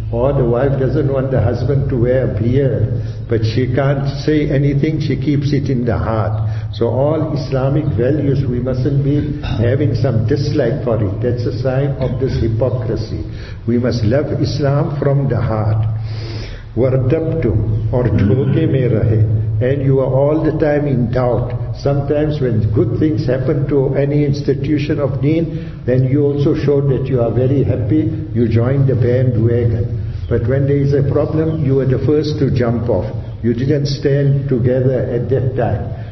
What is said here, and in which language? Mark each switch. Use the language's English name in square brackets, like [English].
[English] Or the wife doesn't want the husband to wear a beard, but she can't say anything, she keeps it in the heart. So all Islamic values, we mustn't be having some dislike for it. That's a sign of this hypocrisy. We must love Islam from the heart. [Arabic] وَرْدَبْتُمْ [Urdu] اور دھوکے میں رہے. [English] And you are all the time in doubt. Sometimes when good things happen to any institution of deen, then you also show that you are very happy, you join the bandwagon. But when there is a problem, you are the first to jump off. You didn't stand together at that time.